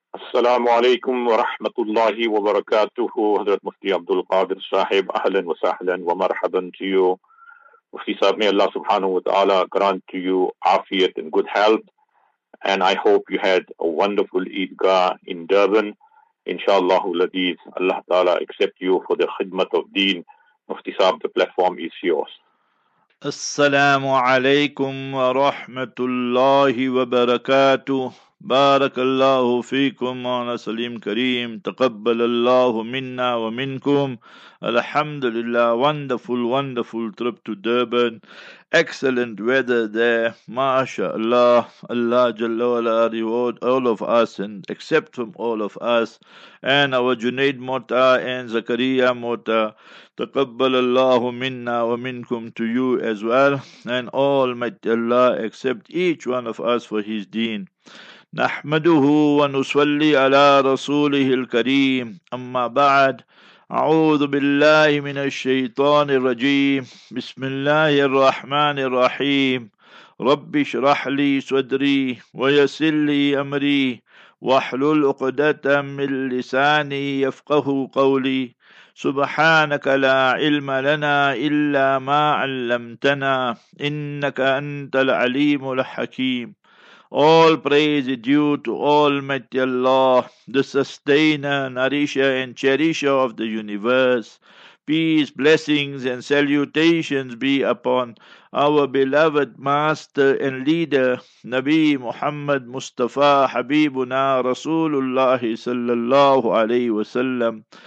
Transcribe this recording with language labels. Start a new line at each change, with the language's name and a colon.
Arabic: السلام عليكم ورحمة الله وبركاته. حضرت مفتی عبد القادر صاحب، اهلا وسهلا ومرحبا
English: to you. مفتی صاحب، may Allah subhanahu wa ta'ala grant to you afiyat and good health. And I hope you had a wonderful Eidgah in Durban. Inshallah, ladiz, Allah ta'ala accept you for the khidmat of deen. مفتی صاحب, the platform is yours.
Arabic: السلام عليكم ورحمة الله وبركاته. بارك الله فيكم وانا سليم كريم. تقبل الله منا ومنكم. الحمد لله.
English: Wonderful, wonderful trip to Durban. Excellent weather there. MashaAllah. Allah Jalla wa Ala reward all of us and accept from all of us. And our Junaid Mota and Zakaria Mota.
Arabic: تقبل الله منا ومنكم,
English: to you as well. And Almighty Allah accept each one of us for his deen.
Arabic: نحمده ونصلي على رسوله الكريم أما بعد أعوذ بالله من الشيطان الرجيم بسم الله الرحمن الرحيم رب اشرح لي صدري ويسر لي أمري واحلل عقدة من لساني يفقه قولي سبحانك لا علم لنا إلا ما علمتنا إنك أنت العليم الحكيم.
English: All praise is due to Almighty Allah, the sustainer, nourisher and cherisher of the universe. Peace, blessings and salutations be upon our beloved master and leader, Nabi Muhammad Mustafa Habibuna Rasulullah sallallahu alayhi wa sallam.